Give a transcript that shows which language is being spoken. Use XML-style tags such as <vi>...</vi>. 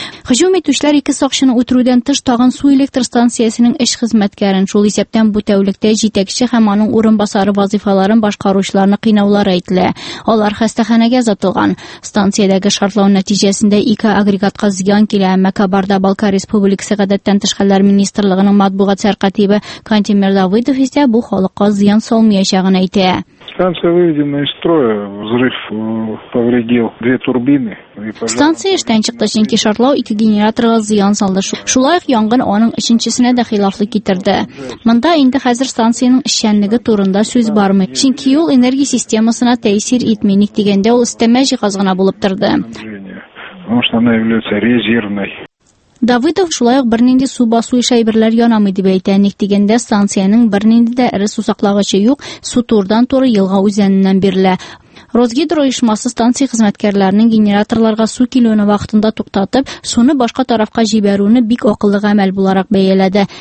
<tt>Һөҗүм итүчеләр ике сакчыны үтерүдән тыш тагын су электр станциясенең эш хезмәткәрен, шул исәптән бу тәүлектә җитәкче һәм аның урын басары вазифаларын башкаручыларны кыйнаулар әйтелә. Алар хастаханәгә озатылган. Станциядәге шартлау нәтиҗәсендә ике агрегатка зыян килә, әмма Кабарда Балкар Республикасы гадәттән тыш хәлләр министрлыгының матбугат сәркатибе Кантимир Давыдов исә бу халыкка зыян салмаячагын әйтә.</tt> <ru>Станция выведена из строя, взрыв повредил две турбины.</ru> <tt>Станция эштән чыкты, чөнки шартлау ике генераторга зыян салды. Шулай ук янгын аның өченчесенә дә хилафлык китерде. Монда инде хәзер станциянең эшчәнлеге турында сүз бармый, чөнки ул энергия системасына тәэсир итмәник дигәндә ул өстәмә җиһаз гына булып торды.</tt> <ru>Потому что она является резервной.</ru> <tt>Давыдов шулай ук бернинди су басу иш әйберләр янамый дип әйтә. Ник дигәндә станциянең бернинди дә эре су саклагычы юк, су турдан туры елга үзәненнән бирелә. Росгидро ишмасы станция хезмәткәрләренең генераторларга су килүен вакытында туктатып, суны башка тарафка җибәрүне бик акыллы гамәл буларак бәяләде.</tt>